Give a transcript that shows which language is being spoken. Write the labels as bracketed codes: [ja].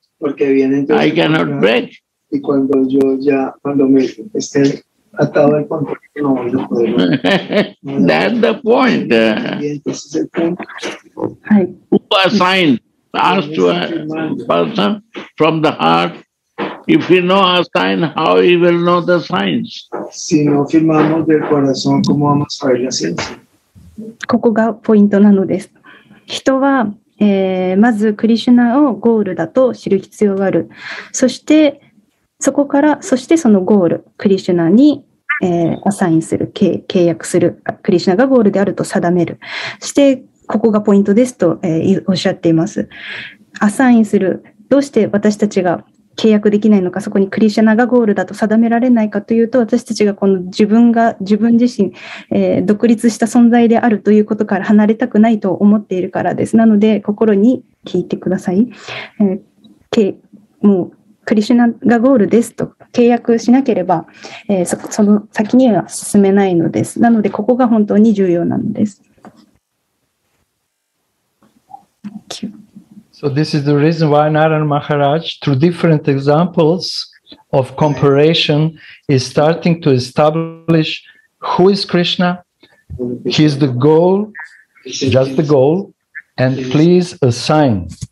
[en] I cannot break. That's the point. Who assigned? Ask to a person from the heart. If you know a sign, how you will know the signs? [es] Si no firmamos del corazón, ¿cómo vamos a ver la ciencia? [ja] ここがポイントなのです。人はまずクリシュナをゴールだと知る必要がある。そしてそこから、そしてそのゴール、クリシュナに、アサインする、契約する、クリシュナがゴールであると定める。そしてここがポイントですと、おっしゃっています。アサインする、どうして私たちが契約できないのか、そこにクリシュナがゴールだと定められないかというと、私たちがこの自分が自分自身、独立した存在であるということから離れたくないと思っているからです。なので心に聞いてください。もうクリシュナがゴールですと契約しなければ、その先には進めないのです。なのでここが本当に重要なのです。 [en] Thank you. So this is the reason why Narayana Maharaj, through different examples of comparison, is starting to establish who is Krishna. He is the goal, just the goal, and please assign.